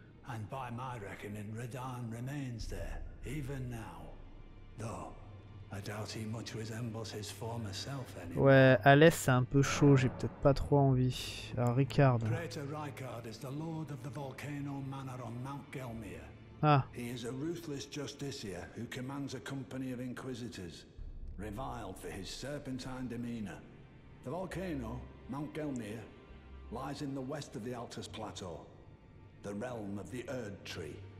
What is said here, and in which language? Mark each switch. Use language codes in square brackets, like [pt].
[en] And by my reckoning, Radahn remains there, even now. Though, I doubt he much resembles his former self anymore. [fr] Ouais, Alès, c'est un peu chaud, j'ai peut-être pas trop envie. Alors, Rikard. [en] Greater Rikard is the lord of the volcano manor on Mount Gelmir. Ah. He is a ruthless justiciar who commands a company of inquisitors, reviled for his serpentine demeanor. The volcano, Mount Gelmir, lies in the west of the Altus Plateau, the realm of the Erd Tree.